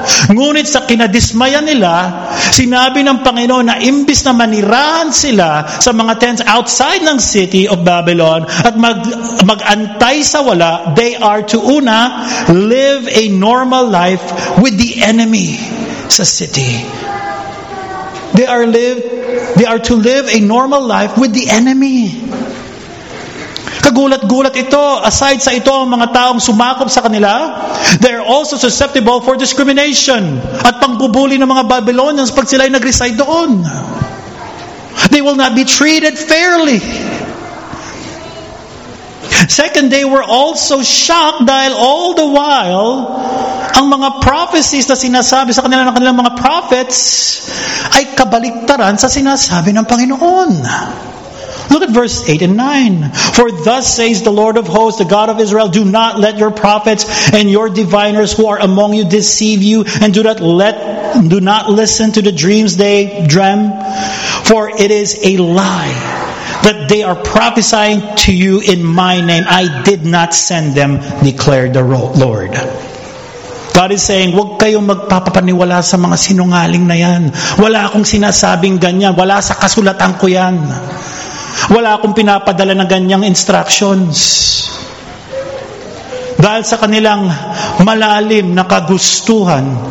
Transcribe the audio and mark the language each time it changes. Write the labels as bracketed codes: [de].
[tl] Ngunit sa kinadismaya nila, sinabi ng Panginoon na imbis na manirahan sila sa mga [en] tents outside [tl] ng city of Babylon at mag-antay sa wala, [en] they are to [tl] una, [en] live a normal life with the enemy [tl] sa city. [en] They are to live a normal life with the enemy. [tl] Kagulat-gulat ito, aside sa ito ang mga taong sumakop sa kanila, [en] they're also susceptible for discrimination [tl] at pangbubuli ng mga Babylonians pag sila'y nag-reside doon. [en] They will not be treated fairly. Second, they were also shocked [tl] dahil [en] all the while, [tl] ang mga prophecies na sinasabi sa kanila ng kanilang mga prophets ay kabaliktaran sa sinasabi ng Panginoon. [en] Look at verse 8 and 9. For thus says the Lord of hosts, the God of Israel, do not let your prophets and your diviners who are among you deceive you, and do not listen to the dreams they dream, for it is a lie that they are prophesying to you in my name. I did not send them, declared the Lord. God is saying, [tl] huwag kayong magpapapaniwala sa mga sinungaling na yan. Wala akong sinasabing ganyan. Wala sa kasulatan ko yan. Wala akong pinapadala na ganyang instructions. Dahil sa kanilang malalim na kagustuhan.